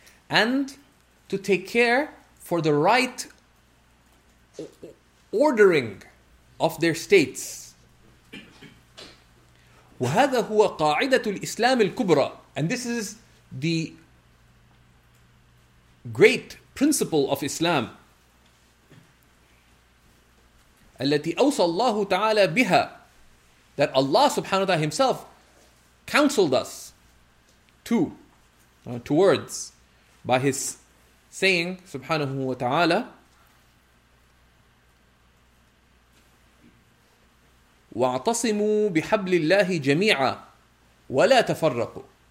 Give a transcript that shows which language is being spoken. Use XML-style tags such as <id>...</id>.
<en>And to take care for the right ordering of their states.</en> <ar>وَهَذَا هُوَ قَاعِدَةُ الْإِسْلَامِ الْكُبْرَى.</ar> <en>And this is the great principle of Islam.</en> <ar>الَّتِي أَوْصَى اللَّهُ تَعَالَى بِهَا.</ar> <en>That Allah subhanahu wa ta'ala himself counseled us towards by his saying, subhanahu wa ta'ala,</en> <ar>وَاعْتَصِمُوا بِحَبْلِ اللَّهِ جَمِيعًا وَلَا تَفَرَّقُوا.</ar>